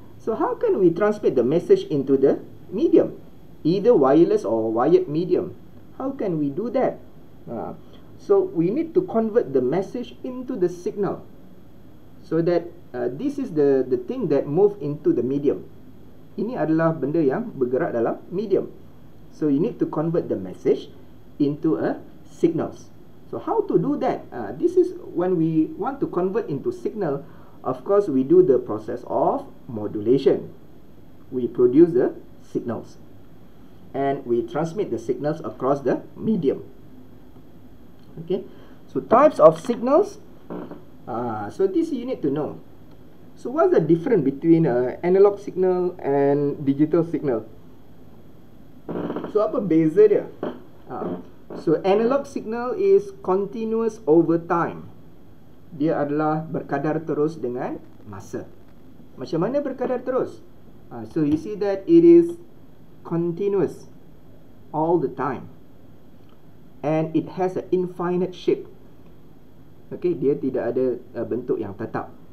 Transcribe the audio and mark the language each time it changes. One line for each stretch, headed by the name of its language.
English: So how can we transmit the message into the medium? Either wireless or wired medium. How can we do that? So we need to convert the message into the signal. So that this is the thing that move into the medium.
Malay: Ini adalah benda yang bergerak dalam medium.
English: So you need to convert the message into a signals. So how to do that? This is when we want to convert into signal, of course we do the process of modulation. We produce the signals and we transmit the signals across the medium. Okay, so types of signals. So this you need to know. So what's the difference between analog signal and digital signal? So
Malay: apa beza dia?
English: So analog signal is continuous over time.
Malay: Dia adalah berkadar terus dengan masa. Macam mana berkadar terus?
English: So you see that it is continuous all the time. And it has an infinite shape.
Malay: Okay, dia tidak ada bentuk yang tetap.